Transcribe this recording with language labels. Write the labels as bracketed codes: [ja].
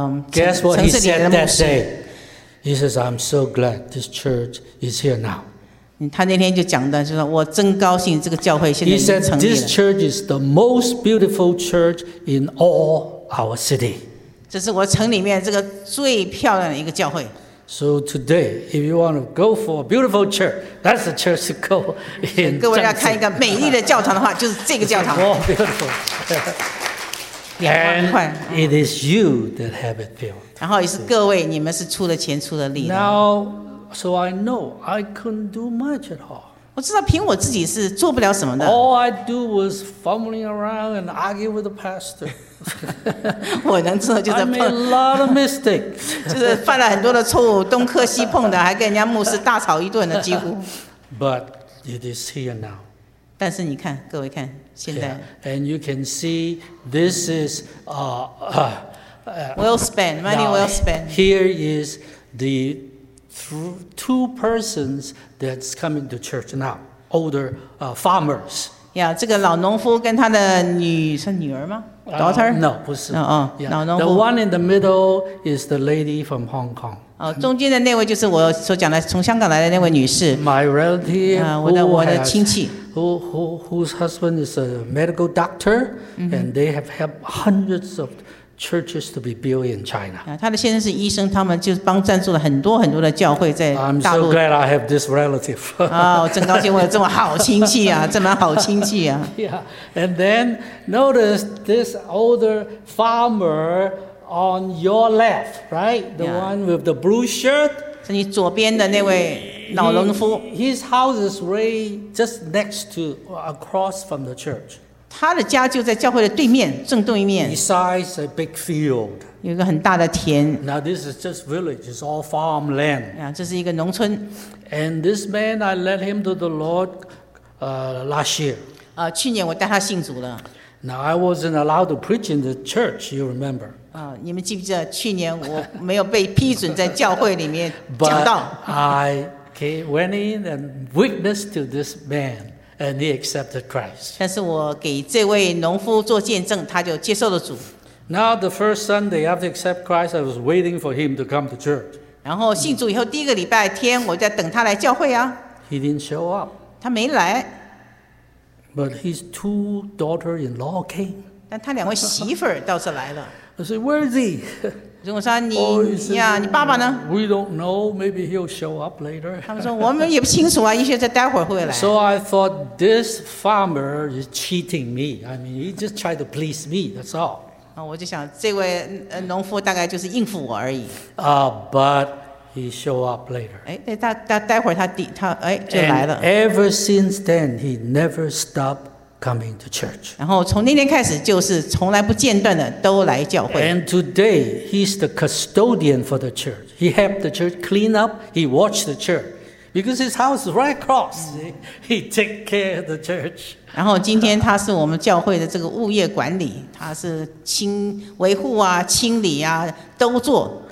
[en] Guess what he said that day? He says, I'm so glad this church is here now. [zh] 他那天就讲的就是我真高兴这个教会现在已经成立了。 [en] He said, this church is the most beautiful church in all our city. [zh] 这是我城里面这个最漂亮的一个教会。 [en] So today, if you want to go for a beautiful church, that's the church to go in. [zh] 各位要看一个美丽的教堂的话，就是这个教堂。 [en] More beautiful. And it is you that have it built. [zh] 然后也是各位，你们是出了钱，出了力的。 [en] Now, so I know I couldn't do much at all. [zh] 我知道凭我自己是做不了什么的。 [en] All I do was fumbling around and argue with the pastor. [zh] 我能做就是 [en] I made a lot of mistakes. [zh] 就是犯了很多的错误，东磕西碰的，还跟人家牧师大吵一顿的，几乎。 [en] But it is here now. [zh] 但是你看，各位看。 [en] Yeah, and you can see this is well spent, money well spent. Here is the two persons that's coming to church now, older farmers. [zh] Yeah, 这个老农夫跟他的女是女儿吗 ？ [en] Daughter? [zh] No, 不是。哦、yeah, 老农夫。 [en] The one in the middle is the lady from Hong Kong. [zh] 哦，中间的那位就是我所讲的从香港来的那位女士。 [en] My relative, [zh] 我的亲戚。 [en] Whose husband is a medical doctor, and they have helped hundreds of churches to be built in China. [zh] 他的先生是医生，他们就帮赞助了很多很多的教会在大陆。 [en] I'm so glad I have this relative. [zh] 我真高兴我有这么好亲戚啊，这么好亲戚啊。 [en] Yeah, and then notice this older farmer on your left, right? The one with the blue shirt. [zh] 是你左边的那位。老农夫 [en] His house is right just next to, across from the church. [zh] 他的家就在教会的对面，正对面。 [en] Besides a big field. [zh] 有一个很大的田。 [en] Now this is just village, it's all farmland. [zh] 这是一个农村。 [en] And this man, I led him to the Lord, last year. [zh] 去年我带他信主了。 [en] Now I wasn't allowed to preach in the church, you remember. [zh] 你们记不记得去年我没有被批准在教会里面讲道。 [en] Went in and witnessed to this man, and he accepted Christ. [zh] 但是我给这位农夫做见证，他就接受了主。 [en] Now the first Sunday after accept Christ, I was waiting for him to come to church. [zh] 然后信主以后第一个礼拜天，我在等他来教会啊。 [en] He didn't show up. [zh] 他没来。 [en] But his two daughter-in-law came. [zh] 但他两位媳妇儿倒是来了。 [en] I said, "Where is he?" [zh] 如果说你呀，你爸爸呢 [en] ？We don't know. Maybe he'll show up later. [zh] 他们说我们也不清楚啊，也许在待会儿会来。 [en] So I thought this farmer is cheating me. I mean, he just tried to please me. That's all. [zh] 我就想这位农夫大概就是应付我而已。 [en] But he show up later. [zh] 哎，待会儿他就来了。 [en] And ever since then, he never stopped. Coming to church. [zh] 然后从那天开始，就是从来不间断的都来教会。 [en] And today he's the custodian for the church. He helped the church clean up. He watched the church because his house is right across. He take care of the church. [zh] 然后今天他是我们教会的这个物业管理，他是清维护啊、清理啊都做。